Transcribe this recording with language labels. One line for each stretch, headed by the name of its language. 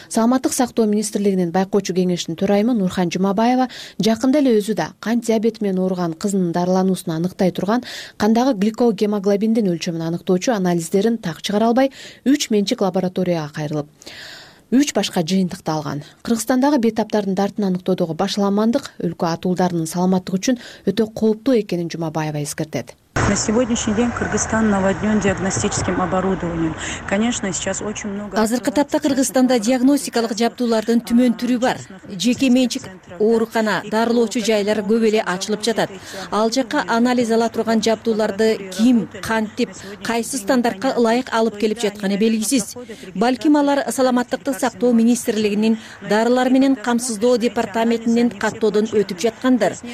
Kyrgyz: Саламаттык сактоо министрлигинин байкоочу кеңешинин төрайымы Нурхан Жумабаева жакында эле өзү да кант диабети менен ооруган кызынын дарылануусун аныктай турган кандагы гликогемоглобиндин өлчөмүн аныктоочу анализдерин так чыгара албай 3 менчик лабораторияга кайрылып, 3 башка жыйынтыкты алган. Кыргызстандагы бейтаптардын дартын аныктоодогу башаламандык өлкө атуулдарынын саламаттыгы үчүн өтө кооптуу экенин Жумабаева эскертет.
Russian: На сегодняшний день Кыргызстан наводнен диагностическим оборудованием. Конечно, сейчас очень много.
Kyrgyz: Азыркы тапта Кыргызстанда диагностикалык жабдуулардын түмөн түрү бар. Жеке менчик оорукана, дарылоочу жайлар көп эле ачылып жатат. Ал жакка анализ ала турган жабдууларды ким, кантип, кайсы стандартка ылайык алып келип жатканы белгисиз. Балким алар саламаттыкты сактоо министрлигинин дарылар менен камсыздоо департаментинин каттоодон өтүп жаткандыр.